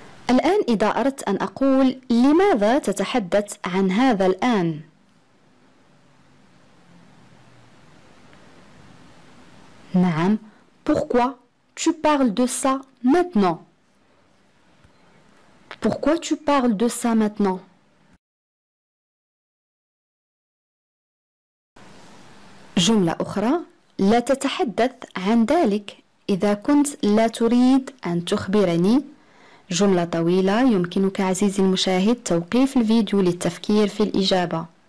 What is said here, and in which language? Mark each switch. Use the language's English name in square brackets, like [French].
[Arabic] الآن إذا أردت أن أقول لماذا تتحدث عن هذا الآن؟ نعم [French] Pourquoi tu parles de ça maintenant? Pourquoi tu parles de ça maintenant? [Arabic] جملة أخرى لا تتحدث عن ذلك إذا كنت لا تريد أن تخبرني جملة طويلة يمكنك عزيزي المشاهد توقيف الفيديو للتفكير في الإجابة